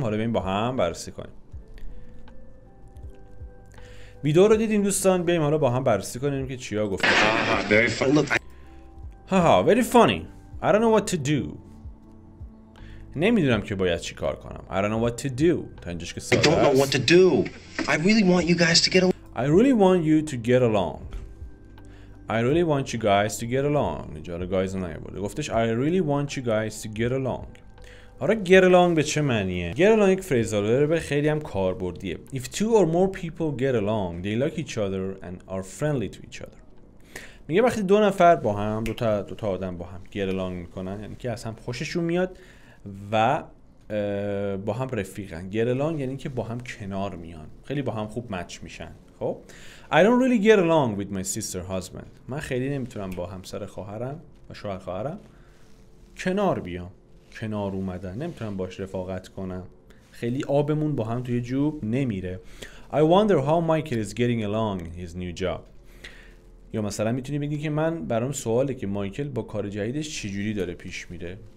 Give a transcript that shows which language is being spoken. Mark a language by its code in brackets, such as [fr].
[fa] حالا بیاییم با هم بررسی کنیم. ویدیو رو دیدیم دوستان. بیاییم حالا با هم بررسی کنیم که چیا گفته. [en] Very funny. Very funny. I don't know what to do. [fa] نمیدونم که باید چی کار کنم. [en] I don't know what to do. [fa] تا اینجاش که ساده است. [en] I don't know what to do. I really want you guys to get along. I really want you to get along. I really want you guys to get along. [fa] اینجا رو guys نیاورده. گفتش [en] I really want you guys to get along. [fa] حالا get along به چه معنیه؟ Get along یک phrasal verb خیلی هم کاربردیه. [en] If two or more people get along, they like each other and are friendly to each other. [fa] میگه وقتی دو نفر با هم، دو تا آدم با هم get along میکنن، یعنی که از هم خوششون میاد و با هم رفیقن. get along یعنی که با هم کنار میان، خیلی با هم خوب مچ میشن. [en] خب I don't really get along with my sister husband. [fa] من خیلی نمیتونم با همسر خواهرم و شوهر خواهرم کنار بیام، کنار اومدن، نمیتونم باش رفاقت کنم، خیلی آبمون با هم توی جوب نمیره. [en] I wonder how Michael is getting along in his new job. [fa] یا مثلا میتونی بگی که من برام سواله که مایکل با کار جدیدش چجوری داره پیش میره.